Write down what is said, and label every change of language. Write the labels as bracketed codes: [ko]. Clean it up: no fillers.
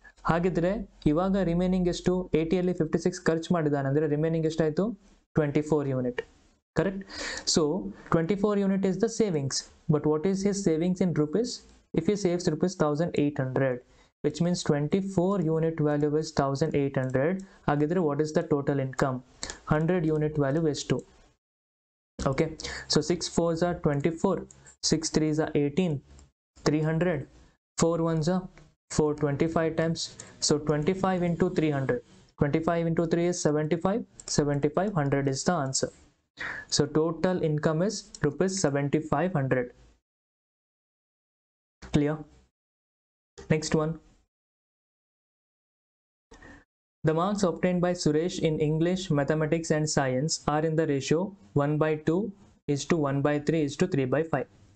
[kn] ಹಾಗಿದ್ರೆ ಇವಾಗ ರಿಮೈನಿಂಗ್ ಎಷ್ಟು? 80 56 ಖರ್ಚು ಮಾಡಿದ್ದಾನೆ ಅಂದರೆ ರಿಮೈನಿಂಗ್ ಎಷ್ಟಾಯಿತು? [en] 24 unit, correct? So 24 unit is the savings. But what is his savings in rupees? If you saves rupees 1,800, which means 24 unit value is 1,800. ಹಾಗಿದ್ರೆ what is the total income? 100 unit value ಎಷ್ಟು? Okay, so 6 4s are 24, 6 3s are 18, 300, 4 1s are 425 times. So 25 × 300, 25 × 3 is 75, 7500 is the answer. So total income is ₹7,500. Clear? Next one, the marks obtained by Suresh in English mathematics and science are in the ratio 1:2:1:3:3:5.